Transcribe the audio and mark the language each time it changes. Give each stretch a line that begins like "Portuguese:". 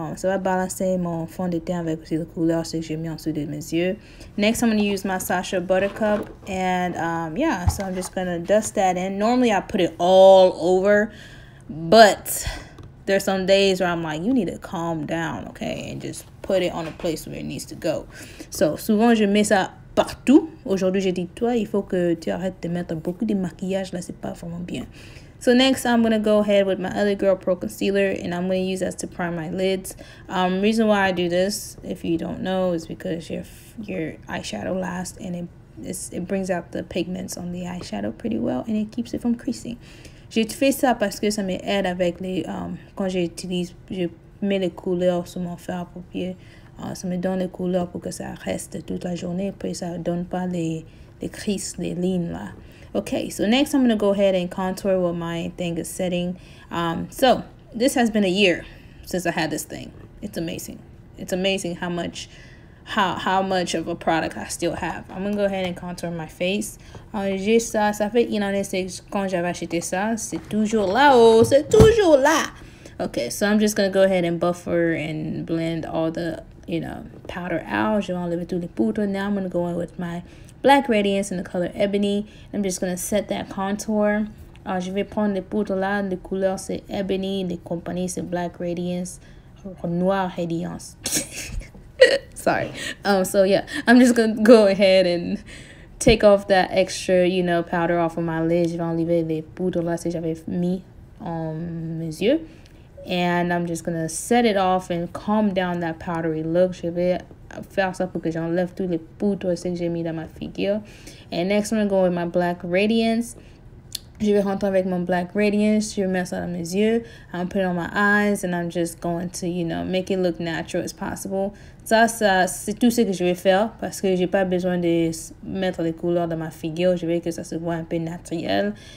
French: Ça va balancer mon fond de teint avec aussi la couleur que j'ai mis en dessous de mes yeux.
English: Next, I'm gonna use my Sasha Buttercup. And yeah, so I'm just gonna dust that in. Normally, I put it all over, but there's some days where I'm like, you need to calm down, okay, and just put it on a place where it needs to go.
French: So, souvent, je mets ça partout. Aujourd'hui, j'ai dit, toi, il faut que tu arrêtes de mettre beaucoup de maquillage. Là, c'est pas vraiment bien.
English: So, next, I'm going to go ahead with my LA Girl Pro Concealer, and I'm going to use that to prime my lids. Reason why I do this, if you don't know, is because your eyeshadow lasts, and it brings out the pigments on the eyeshadow pretty well, and it keeps it from creasing.
French: J'ai fait ça parce que ça m'aide avec les... quand j'utilise, je mets les couleurs sur mon fard paupière. Ça me donne les couleurs pour que ça reste toute la journée. Puis ça donne pas les,
English: the crease, the lean la. Okay, so next I'm going to go ahead and contour what my thing is setting. So this has been a year since I had this thing. It's amazing. It's amazing how much how much of a product I still have. I'm going to go ahead and contour my face.
French: J'ai ça, ça fait une année quand j'avais acheté ça. C'est toujours là, oh, c'est toujours là.
English: Okay, so I'm just going to go ahead and buffer and blend all the, you know, powder out.
French: Je vais enlever tous les poudres.
English: Now I'm going to go in with my black radiance in the color ebony. I'm just going to set that contour.
French: Je vais prendre les poudres là. Les couleurs, c'est ebony. Les compagnies, c'est black radiance. Noir radiance. Sorry.
English: So, yeah, I'm just going to go ahead and take off that extra, you know, powder off of my lid.
French: Je vais enlever les poudres là, c'est j'avais mis en mes yeux.
English: And I'm just going to set it off and calm down that powdery look.
French: Je vais faire ça pour que j'enlève tous les poudres que j'ai mis dans ma figure.
English: And next, I'm going to go with my black radiance.
French: Je vais rentrer avec mon black radiance. Je vais mettre ça dans mes yeux.
English: I'm going to put it on my eyes. And I'm just going to, you know, make it look natural as possible.
French: Ça, ça, c'est tout ce que je vais faire. Parce que j'ai pas besoin de mettre les couleurs dans ma figure. Je veux que ça se voit un peu naturel.